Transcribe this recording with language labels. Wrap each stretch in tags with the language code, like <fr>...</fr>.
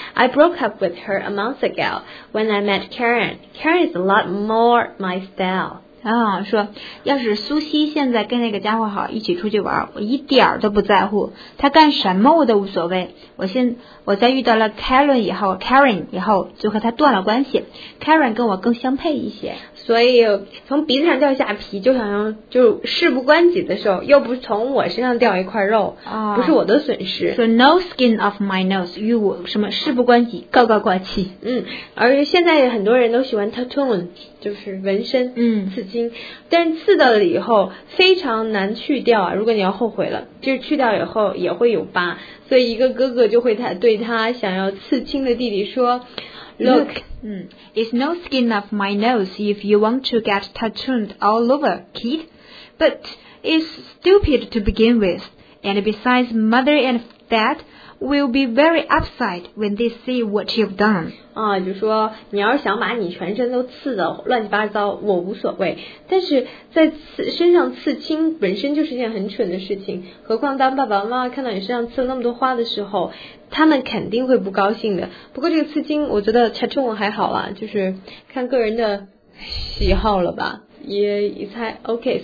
<en>I broke up with her a month ago when I met Karen. Karen is a lot more my style.</en> <zh>说要是苏西现在跟那个家伙好一起出去玩，我一点都不在乎。他干什么我都无所谓。我在遇到了 Karen 以后就和他断了关系。 Karen 跟我更相配一些。所以从鼻子上掉下皮就想用就事不关己的时候，又不是从我身上掉一块肉，不是我的损失。说</zh> <en>no skin of my nose,</en> <zh>与我什么事不关己，高高挂起。而且现在很多人都喜欢 tattoo, 就是纹身，刺青，但刺到了以后非常难去掉啊，如果你要后悔了，就是去掉以后也会有疤，所以一个哥哥就会对他想要刺青的弟弟说</zh> <en>Look, it's no skin of my nose if you want to get tattooed all over, kid. But it's stupid to begin with. And besides, mother and dad will be very upset when they see what you've done.</en> <zh>就说你要是想把你全身都刺得乱七八糟，我无所谓。但是在身上刺青本身就是件很蠢的事情，何况当爸爸妈妈看到你身上刺了那么多花的时候，他们肯定会不高兴的。不过这个刺青我觉得才中文还好啦，就是看个人的喜好了吧，也才 OK。</zh>